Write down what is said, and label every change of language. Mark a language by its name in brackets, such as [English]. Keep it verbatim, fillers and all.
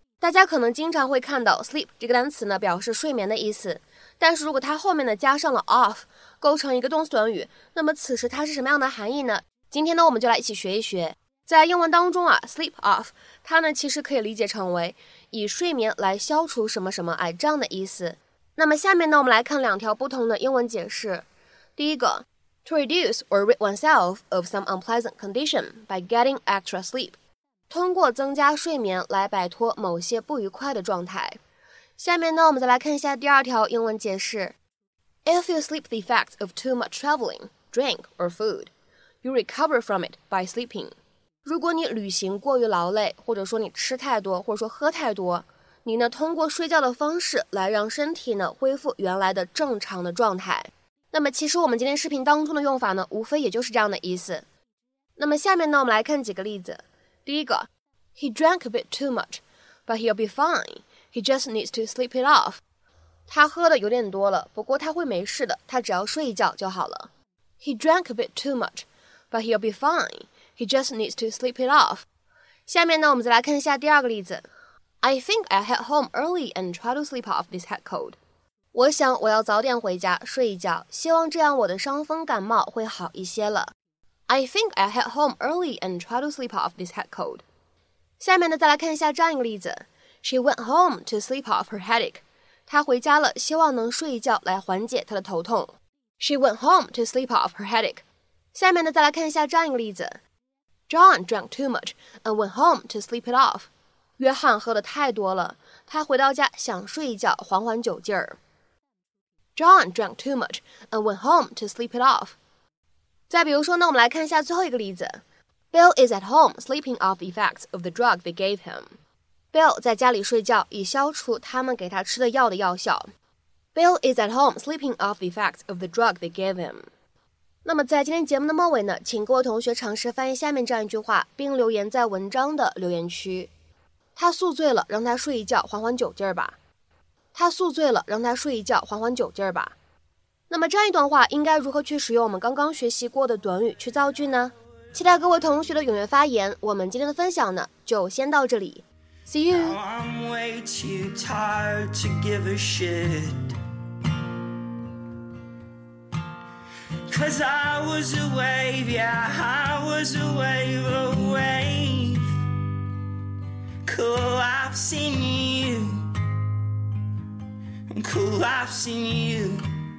[Chinese] 大家可能经常会看到 sleep 这个单词呢表示睡眠的意思，但是如果它后面呢加上了 off 构成一个动词短语，那么此时它是什么样的含义呢？今天呢我们就来一起学一学。在英文当中啊 sleep off 它呢其实可以理解成为以睡眠来消除什么什么哎这样的意思。那么下面呢我们来看两条不同的英文解释。第一个 [English] to reduce or rid oneself of some unpleasant condition by getting extra sleep. [Chinese] 通过增加睡眠来摆脱某些不愉快的状态。下面呢，我们再来看一下第二条英文解释。 [English] If you sleep the effects of too much traveling, drink, or food, you recover from it by sleeping. [Chinese] 如果你旅行过于劳累，或者说你吃太多，或者说喝太多，你呢通过睡觉的方式来让身体呢恢复原来的正常的状态。那么其实我们今天视频当中的用法呢，无非也就是这样的意思。那么下面呢，我们来看几个例子。第一个 [English] ，He drank a bit too much, but he'll be fine. He just needs to sleep it off. [Chinese] 他喝的有点多了，不过他会没事的，他只要睡一觉就好了。 [English] He drank a bit too much, but he'll be fine. He just needs to sleep it off. [Chinese] 下面呢，我们再来看一下第二个例子。 [English] I think I'll head home early and try to sleep off this head cold. [Chinese] 我想我要早点回家睡一觉，希望这样我的伤风感冒会好一些了。 [English] I think I'll head home early and try to sleep off this head cold. [Chinese] 下面呢，再来看一下这样一个例子。 [English] She went home to sleep off her headache. [Chinese] 她回家了，希望能睡一觉来缓解她的头痛。 [English] She went home to sleep off her headache. [Chinese] 下面呢，再来看一下这样一个例子。 [English] John drank too much and went home to sleep it off. [Chinese] 约翰喝的太多了，他回到家想睡一觉缓缓酒劲儿。 [English] John drank too much and went home to sleep it off. [Chinese] 再比如说呢，我们来看一下最后一个例子。 [English] Bill is at home sleeping off the effects of the drug they gave him. [Chinese] Bill 在家里睡觉，以消除他们给他吃的药的药效。 [English] Bill is at home sleeping off the effects of the drug they gave him. [Chinese] 那么在今天节目的末尾呢，请各位同学尝试翻译下面这样一句话，并留言在文章的留言区。他宿醉了，让他睡一觉缓缓酒劲儿吧。他宿醉了，让他睡一觉缓缓酒劲儿吧。那么这样一段话应该如何去使用我们刚刚学习过的短语去造句呢？期待各位同学的踊跃发言。我们今天的分享呢，就先到这里。 [English] See you. Now I'm way too tired to give a shit. 'Cause I was a wave, yeah, I was a wave away. Collapsing you, I'm collapsing you